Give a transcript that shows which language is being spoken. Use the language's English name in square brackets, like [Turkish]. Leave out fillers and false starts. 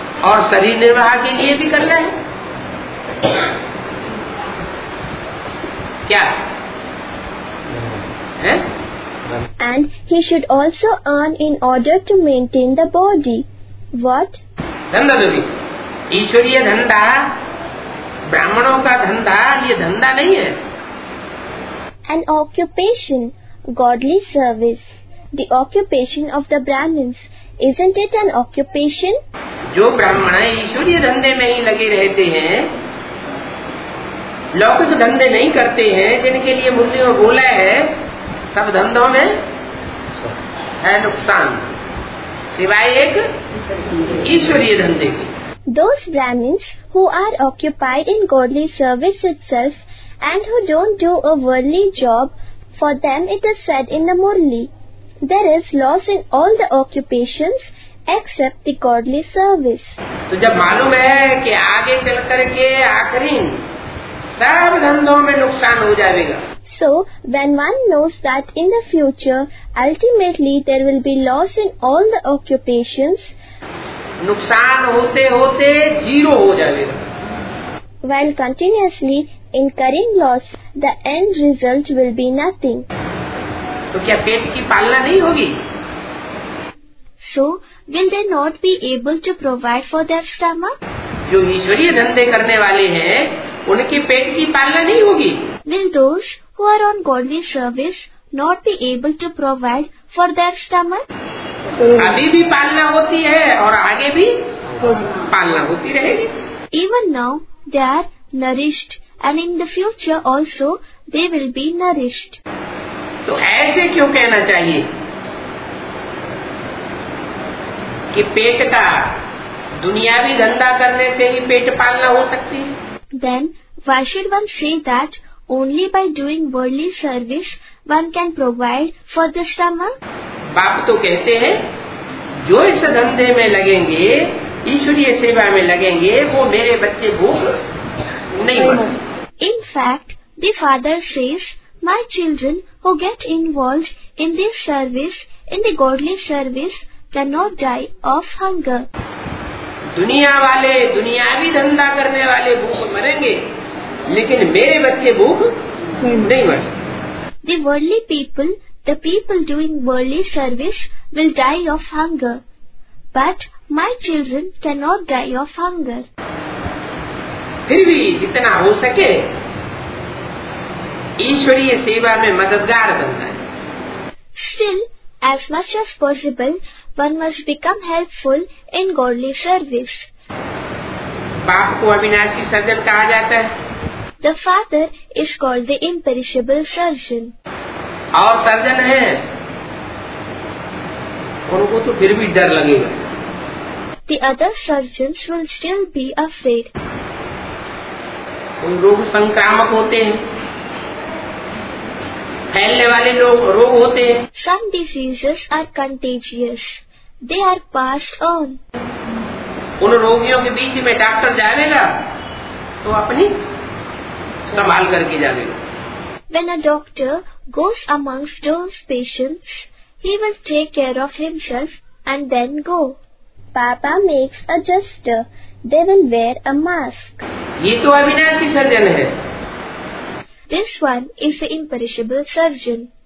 [Hindi] Aur sharir nirvah ke liye bhi karna hai. क्या है? [English] And he should also earn in order to maintain the body. What? [Hindi] धंधा जो भी ईश्वरीय धंधा ब्राह्मणों का धंधा ये धंधा नहीं है. [English] An occupation, godly service. The occupation of the Brahmins, isn't it an occupation? [Hindi] जो ब्राह्मण ईश्वरीय धंधे में ही लगे रहते हैं लौकिक धंधे नहीं करते हैं जिनके लिए मुनियों ने बोला है सब धंधों में है नुकसान सिवाय एक ईश्वरीय धंधे के. [English] Those Brahmins who are occupied in godly service itself and who don't do a worldly job, for them it is said in the Murli, there is loss in all the occupations except the godly service. [Hindi] तो जब मालूम है कि आगे चल करके आखरीन सब धंधों में नुकसान हो जाएगा. [English] So when one knows that in the future ultimately there will be loss in all the occupations, [Hindi] नुकसान होते होते जीरो हो जाएगा. [English] While continuously incurring loss, the end result will be nothing. [Hindi] तो क्या पेट की पालना नहीं होगी? [English] So will they not be able to provide for their stomach? [Hindi] जो ईश्वरीय धंधे करने वाले हैं उनके पेट की पालना नहीं होगी. [English] Will those who are on godly service not be able to provide for their stomach? [Hindi] अभी भी पालना होती है और आगे भी पालना होती रहेगी. [English] Even now they are nourished and in the future also they will be nourished. [Hindi] तो ऐसे क्यों कहना चाहिए कि पेट का दुनियावी धंधा करने से ही पेट पालना हो सकती है? [English] Then why should one say that only by doing worldly service one can provide for the stomach? [Hindi] बाप तो कहते हैं जो इस धंधे में लगेंगे ईश्वरीय सेवा में लगेंगे वो मेरे बच्चे भूख नहीं मरेंगे. [English] In fact, the father says, my children who get involved in this service, in the godly service, cannot die of hunger. [Hindi] दुनिया वाले दुनियावी धंधा करने वाले भूख मरेंगे, लेकिन मेरे बच्चे भूख नहीं मर सकते. [English] The worldly people, the people doing worldly service will die of hunger, but my children cannot die of hunger. [Hindi] फिर भी जितना हो सके ईश्वरीय सेवा में मददगार बनना है. [English] Still, as much as possible, one must become helpful in godly service. [Hindi] बाप को अविनाशी सर्जन कहा जाता है. [English] The father is called the imperishable surgeon. [Hindi] और सर्जन है उनको तो फिर भी डर लगेगा. [English] The other surgeons will still be afraid. [Hindi] उन रोग संक्रामक होते हैं, फैलने वाले लोग रोग होते हैं. [English] Some diseases are contagious. They are passed on. [Hindi] उन रोगियों के बीच में डॉक्टर जाएगा तो अपनी संभाल करके जाएगा. [English] When a doctor goes amongst those patients, he will take care of himself and then go. Papa makes a gesture. They will wear a mask. [Hindi] ये तो अविनाशी सर्जन है. [English] This one is the imperishable surgeon.